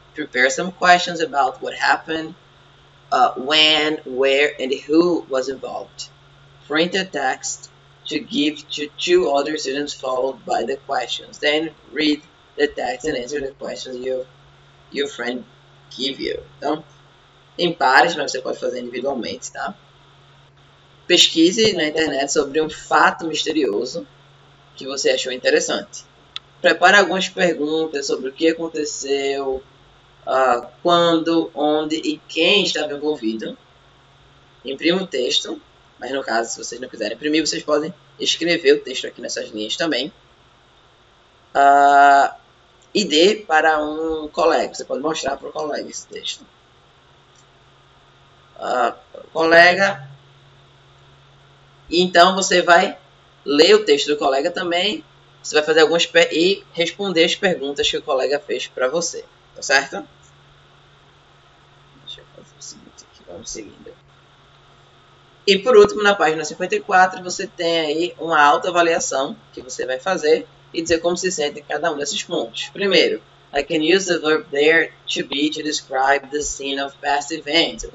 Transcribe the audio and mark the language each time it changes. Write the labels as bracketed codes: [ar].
[en] Prepare some questions about what happened, when, where, and who was involved. Print a text to give to two other students, followed by the questions. Then read the text and answer the questions your friend give you. [pt] Então, em pares, mas você pode fazer individualmente, tá? Pesquise na internet sobre um fato misterioso que você achou interessante. Prepare algumas perguntas sobre o que aconteceu, quando, onde e quem estava envolvido. Imprima o texto, mas no caso, se vocês não quiserem imprimir, vocês podem escrever o texto aqui nessas linhas também. E dê para um colega. Você pode mostrar para o colega esse texto. Colega. Então você vai ler o texto do colega também. Você vai fazer algumas e responder as perguntas que o colega fez para você, tá certo? Deixa eu fazer o seguinte aqui, vamos seguindo. E por último, na página 54, você tem aí uma autoavaliação que você vai fazer e dizer como se sente em cada um desses pontos. Primeiro, [en] I can use the verb there to be to describe the scene of past events.